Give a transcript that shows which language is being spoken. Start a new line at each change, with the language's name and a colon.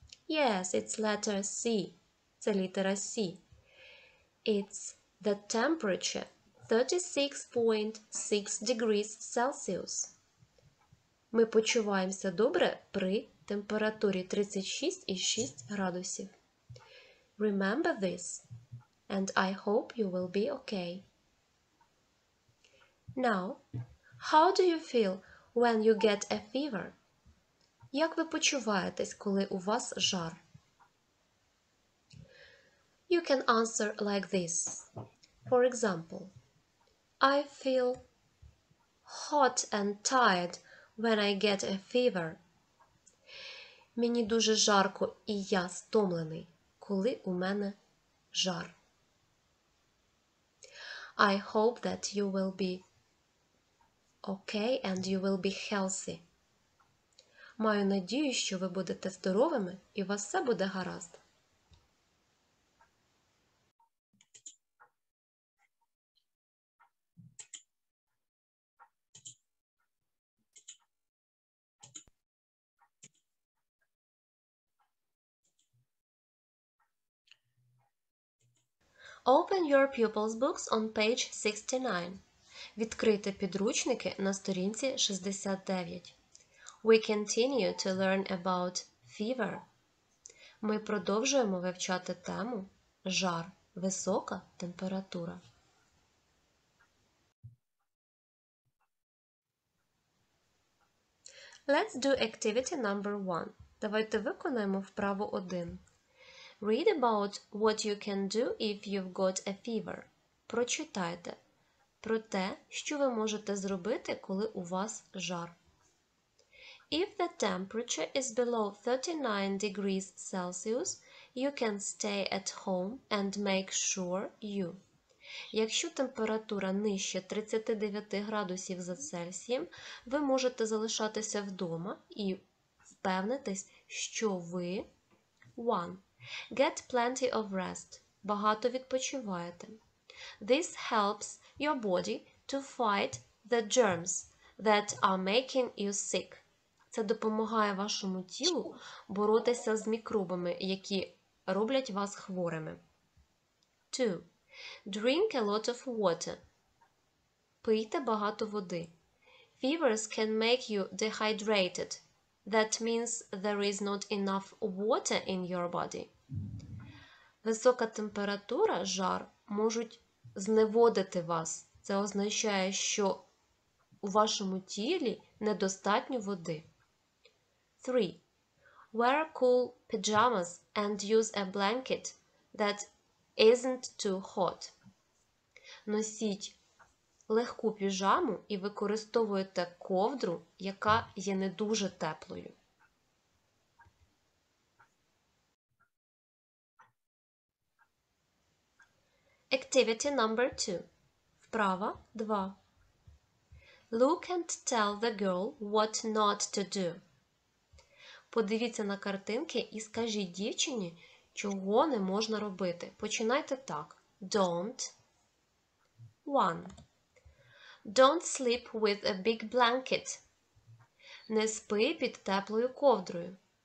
English: Yes, it's letter C.
Ukrainian: Це літера C.
English: It's the temperature 36.6 degrees Celsius.
Ukrainian: Ми почуваємося добре при температурі 36,6 градусів.
English: Remember this, and I hope you will be okay. Now, how do you feel when you get a fever?
Ukrainian: Як ви почуваєтесь, коли у вас жар?
English: You can answer like this. For example, I feel hot and tired when I get a fever.
Ukrainian: Мені дуже жарко, і я стомлений, коли у мене жар.
English: I hope that you will be okay and you will be healthy.
Ukrainian: Маю надію, що ви будете здоровими і у вас все буде гаразд.
English: Open your pupils' books on page 69.
Ukrainian: Відкрити підручники на сторінці 69.
English: We continue to learn about fever.
Ukrainian: Ми продовжуємо вивчати тему «Жар. Висока температура».
English: Let's do activity number one.
Ukrainian: Давайте виконаємо вправу 1.
English: Read about what you can do if you've got a fever.
Ukrainian: Прочитайте про те, що ви можете зробити, коли у вас жар.
English: If the temperature is below 39 degrees Celsius, you can stay at home and make sure you.
Ukrainian: Якщо температура нижче 39 градусів за Цельсієм, ви можете залишатися вдома і впевнитись, що ви 1.
English: Get plenty of rest.
Ukrainian: Багато відпочиваєте.
English: This helps your body to fight the germs that are making you sick.
Ukrainian: Це допомагає вашому тілу боротися з мікробами, які роблять вас хворими.
English: 2. Drink a lot of water.
Ukrainian: Пийте багато води.
English: Fevers can make you dehydrated. That means there is not enough water in your body.
Ukrainian: Висока температура, жар, можуть зневодити вас. Це означає, що у вашому тілі недостатньо води. 3.
English: Wear cool pajamas and use a blanket that isn't too hot.
Ukrainian: Носіть легку піжаму і використовуйте ковдру, яка є не дуже теплою.
English: Activity number 2.
Ukrainian: Вправа 2.
English: Look and tell the girl what not to do.
Ukrainian: Подивіться на картинки і скажіть дівчині, чого не можна робити. Починайте так. Don't. 1.
English: Don't sleep with a big blanket.
Ukrainian: Не спи під теплою ковдрою.